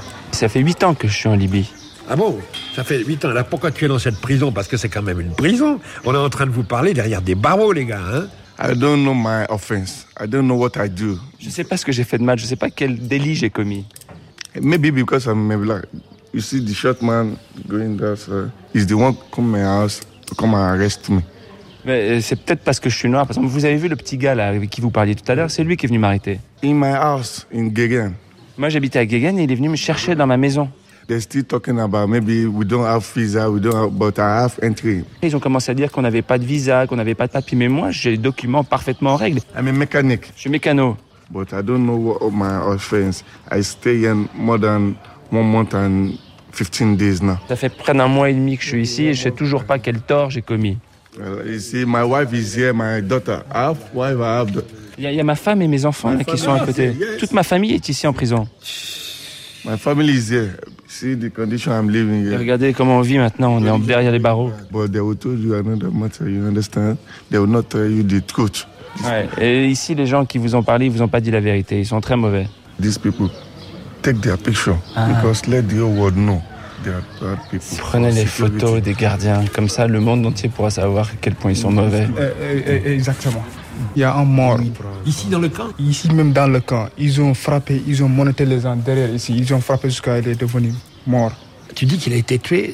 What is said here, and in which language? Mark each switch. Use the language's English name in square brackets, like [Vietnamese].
[French] Ça fait 8 ans que je suis en Libye. Ah bon? Ça fait 8 ans. Alors pourquoi tu es dans cette prison? Parce que c'est quand même une prison. On est en train de vous parler derrière des barreaux, les gars. Hein? [English] I don't know my offense. I don't know what I do. [French] Je ne sais pas ce que j'ai fait de mal. Je ne sais pas quel délit j'ai commis. [English] Maybe because I'm black. You see the short man going there, sir. He's the one come my house, come and arrest me. [French] Mais c'est peut-être parce que je suis noir. Par exemple, vous avez vu le petit gars là, avec qui vous parliez tout à l'heure? C'est lui qui est venu m'arrêter. [English] In my house, in Guéguen. [French] Moi, j'habitais à Guéguen et il est venu me chercher dans ma maison. [English] They're still talking about maybe we don't have visa, we don't have, but I have entry. [French] Ils ont commencé à dire qu'on n'avait pas de visa, qu'on n'avait pas de papier. Mais moi, j'ai les documents parfaitement en règle. [English] I'm a mechanic. [French] Je suis mécano. [English] But I don't know what my offense. I stay in more than 1 month and 15 days now. [French] Ça fait près d'un mois et demi que je suis ici et je sais toujours pas quel tort j'ai commis. [English] You see, my wife is here, my daughter. I have wife, I have. [French] Il y a ma femme et mes enfants qui sont à côté. Toute ma famille est ici en prison. [English] My family is here. See the condition I'm living here. [French] Et regardez comment on vit maintenant. On est derrière les barreaux. [English] But they will tell you another matter. You understand? They will not tell you the truth. [French] Ouais. Et ici, les gens qui vous ont parlé, ils vous ont pas dit la vérité. Ils sont très mauvais. [English] These people take their picture because let the whole world know. [French] Si prenez les photos des gardiens, comme ça le monde entier pourra savoir à quel point ils sont mauvais. Exactement. Il y a un mort. Ici dans le camp? Ici même dans le camp. Ils ont frappé, ils ont monté les gens derrière ici. Ils ont frappé jusqu'à il est devenu mort. Tu dis qu'il a été tué